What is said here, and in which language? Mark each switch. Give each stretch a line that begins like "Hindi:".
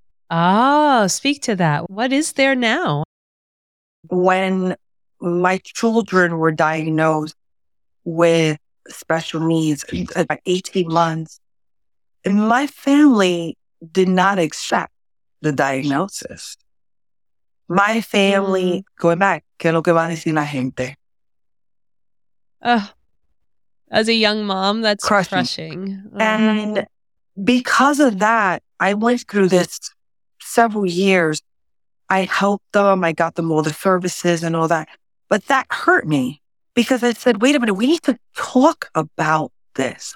English: Oh, speak to that. What is there now? When my children were diagnosed with special needs at 18 months, and my family did not accept the diagnosis. My family, going back,
Spanish: ¿qué es lo que va a decir la gente?
English: As a young mom, that's crushing. And because of that, I went through this several years. I helped them. I got them all the services and all that. But that hurt me. Because I said, wait a minute, we need to talk about this.